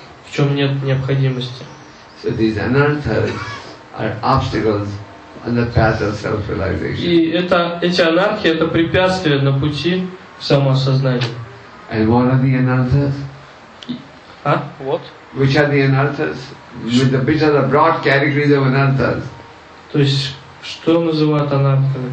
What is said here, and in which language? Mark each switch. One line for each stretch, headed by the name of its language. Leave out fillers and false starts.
Russian: В чем нет необходимости.
English: So these anarthas are obstacles on the path of self-realization.
Russian: И это, эти анархи, это препятствия на пути к самоосознанию.
English: And what are the anarthas? А? What? Which are the anarthas? Which are the broad categories of anarthas?
Russian: То есть, что называют анархами?